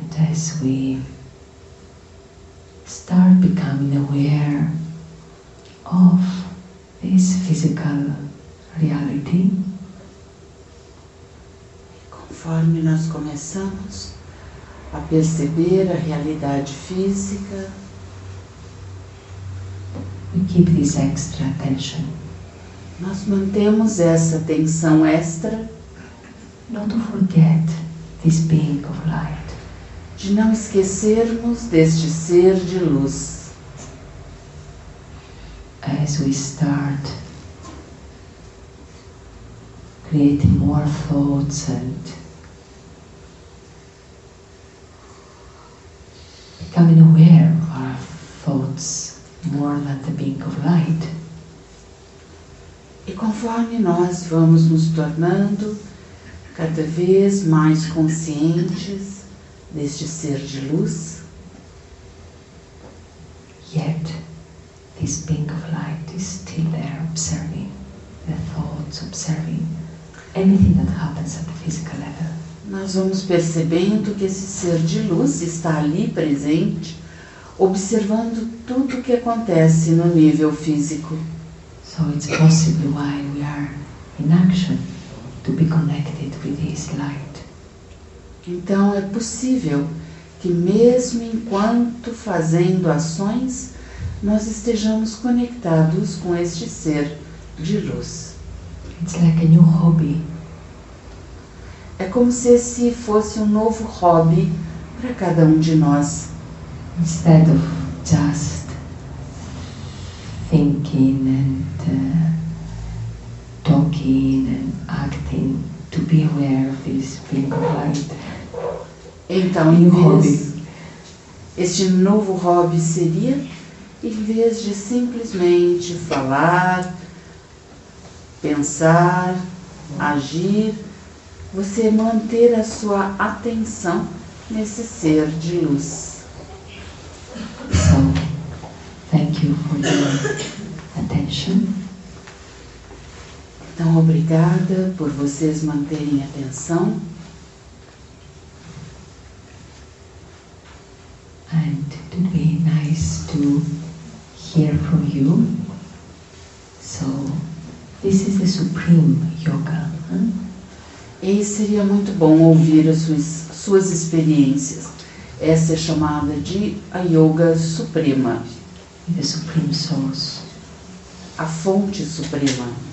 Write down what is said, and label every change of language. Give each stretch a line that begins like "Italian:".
English: As we start becoming aware of this physical reality,
Portuguese: conforme nós começamos a perceber a realidade física,
English: we keep this extra attention.
Portuguese: Nós mantemos essa atenção extra,
English: not to forget this being of light.
Portuguese: De não esquecermos deste ser de luz.
English: As we start creating more thoughts and becoming aware of our thoughts more than the being of light.
Portuguese: E conforme nós vamos nos tornando cada vez mais conscientes deste ser de luz,
English: yet this being of light is still there observing the thoughts, observing anything that happens at the physical level.
Portuguese: Nós vamos percebendo que esse ser de luz está ali presente, observando tudo o que acontece no nível físico.
English: So it's possibly why we are in action to be connected with this light.
Portuguese: Então, é possível que mesmo enquanto fazendo ações, nós estejamos conectados com este ser de luz.
English: It's like a new hobby.
Portuguese: É como se esse fosse um novo hobby para cada um de nós.
English: Instead of just thinking and talking and acting to be aware of this being of light.
Portuguese: Então, em hobby, este novo hobby seria, em vez de simplesmente falar, pensar, agir, você manter a sua atenção nesse ser de luz.
English: So, thank you for your attention.
Portuguese: Então, obrigada por vocês manterem a atenção.
English: And it would be nice to hear from you. So, this is the Supreme Yoga.
Portuguese: E seria muito bom ouvir as suas experiências. Essa é chamada de a Yoga Suprema.
English: The Supreme Source.
Portuguese: A Fonte Suprema.